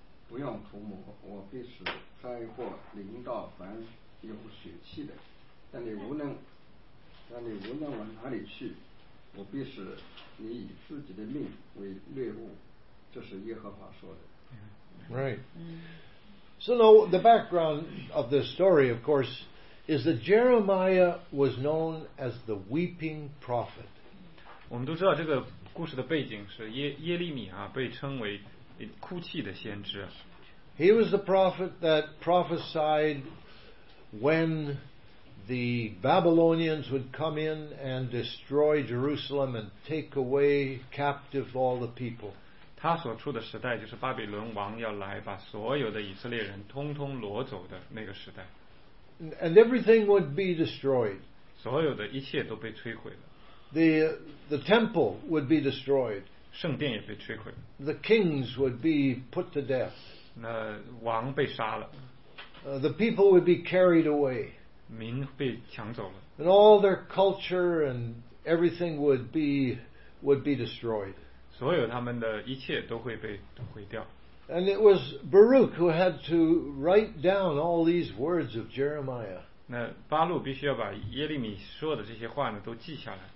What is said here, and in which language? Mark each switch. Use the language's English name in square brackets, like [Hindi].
[Chinese] 不要图谋，我必使灾祸临到凡有血气的，但你无论往哪里去，我必使你以自己的命为掠物，这是耶和华说的。 [English] Right. So now the background of this story, of course, is that Jeremiah was known as the weeping prophet. [Chinese] 我们都知道这个故事的背景是耶利米啊，被称为哭泣的先知。 [English] He was the prophet that prophesied when the Babylonians would come in and destroy Jerusalem and take away captive all the people. [Chinese] 他所处的时代就是巴比伦王要来把所有的以色列人通通掳走的那个时代。 [English] And everything would be destroyed. [Chinese] 所有的一切都被摧毁了。 [English] The temple would be destroyed. [Chinese] 圣殿也被摧毁。 [English] The kings would be put to death. [Chinese] 那王被杀了。 [English] The people would be carried away. [Chinese] 民被抢走了。 [English] And all their culture and everything would be destroyed. [Chinese] 所有他们的一切都会被毁掉。 [English] And it was Baruch who had to write down all these words of Jeremiah. [Chinese] 那巴录必须要把耶利米说的这些话呢都记下来。